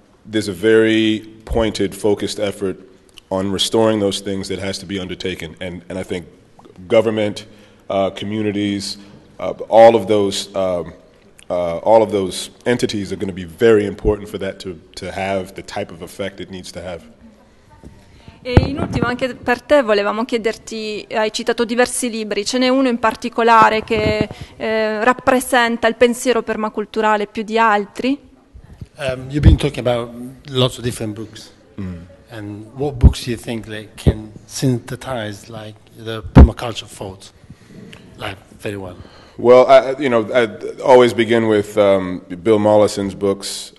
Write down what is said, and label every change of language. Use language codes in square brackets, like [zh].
[en] There's a very pointed, focused effort on restoring those things that has to be undertaken. And I think government, communities, all of those entities are going to be very important for that to have the type of effect it needs to have. [it] E in ultimo, anche per te volevamo chiederti, hai citato diversi libri, ce n'è uno in particolare che rappresenta il pensiero permaculturale più di altri? [en] You've been talking about lots of different books. Mm. And what books do you think they can synthesize like the permaculture thought like very well? Well, I always begin with Bill Mollison's books.